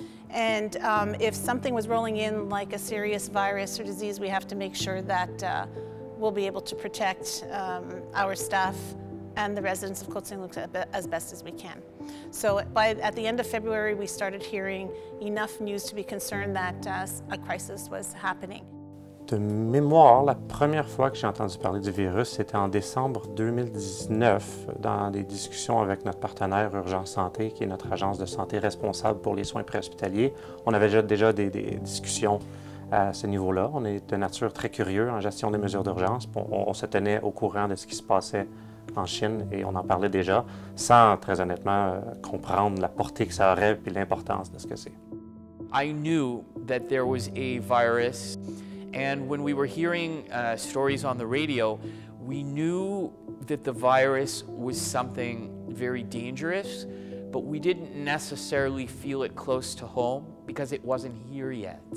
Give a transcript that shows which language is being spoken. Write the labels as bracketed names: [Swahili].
[English] And if something was rolling in like a serious virus or disease, we have to make sure that we'll be able to protect our staff and the residents of Côte Saint-Luc as best as we can. So at the end of February, we started hearing enough news to be concerned that a crisis was happening. [French] De mémoire, la première fois que j'ai entendu parler du virus, c'était en décembre 2019, dans des discussions avec notre partenaire Urgence Santé, qui est notre agence de santé responsable pour les soins préhospitaliers. On avait déjà des discussions à ce niveau-là. On est de nature très curieux en gestion des mesures d'urgence. On se tenait au courant de ce qui se passait en Chine et on en parlait déjà, sans très honnêtement comprendre la portée que ça aurait et l'importance de ce que c'est. [English] I knew that there was a virus. And when we were hearing stories on the radio, we knew that the virus was something very dangerous, but we didn't necessarily feel it close to home because it wasn't here yet.